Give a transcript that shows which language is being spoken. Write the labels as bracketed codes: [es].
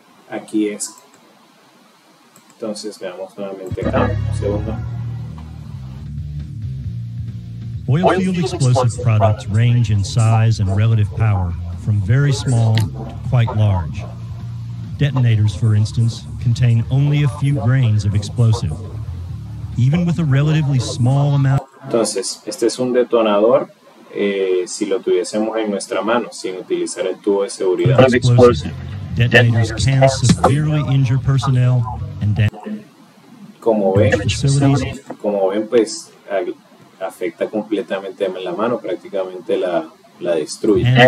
[es] Aquí es. Entonces veamos nuevamente acá. Un segundo. [en] Oilfield explosive products range in size and relative power from very small to quite large. Detonators, for instance, contain only a few grains of explosive. Even with a relatively small amount. [es] Entonces, este es un detonador. Si lo tuviésemos en nuestra mano sin utilizar el tubo de seguridad. [en] Detonators can severely injure personnel and [es] como ven pues afecta completamente la mano, prácticamente la destruye.